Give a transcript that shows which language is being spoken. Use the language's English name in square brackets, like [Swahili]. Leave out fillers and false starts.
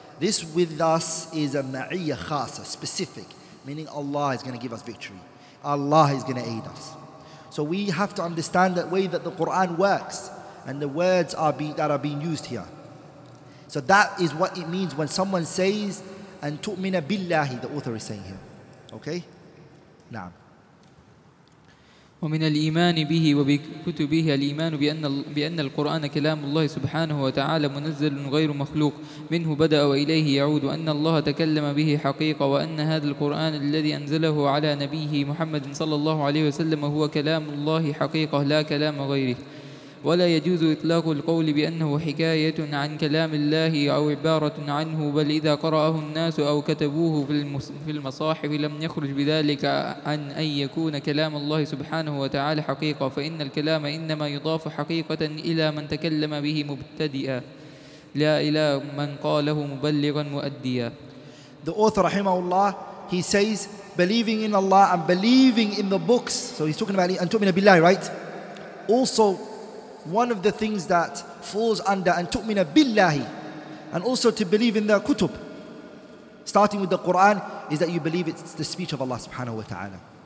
[English] This with us is a ma'iyyah khasa, specific, meaning Allah is going to give us victory. Allah is going to aid us. So we have to understand that way that the Quran works and the words are being used here. So that is what it means when someone says, and tu'mina billahi, the author is saying here. Okay? Naam. [Arabic] ومن الإيمان به وبكتبه الإيمان بأن القرآن كلام الله سبحانه وتعالى منزل غير مخلوق منه بدأ وإليه يعود وأن الله تكلم به حقيقة وأن هذا القرآن الذي أنزله على نبيه محمد صلى الله عليه وسلم هو كلام الله حقيقة لا كلام غيره ولا يجوز إطلاق القول بأنه حكاية عن كلام الله أو عبارة عنه، بل إذا قرأه الناس أو كتبوه في المصاحف لم يخرج بذلك عن أن يكون كلام الله سبحانه وتعالى حقيقة، فإن الكلام إنما يضاف حقيقة إلى من تكلم به مبتدئا لا إلى من قاله مبلغا مؤديا. [English] The author [Arabic] رحمه الله, [English] he says, believing in Allah and believing in the books. So he's talking about an tu'mina billahi, right? Also, one of the things that falls under an tu'mina billahi, and also to believe in the kutub, starting with the Quran, is that you believe it's the speech of Allah subhanahu wa ta'ala.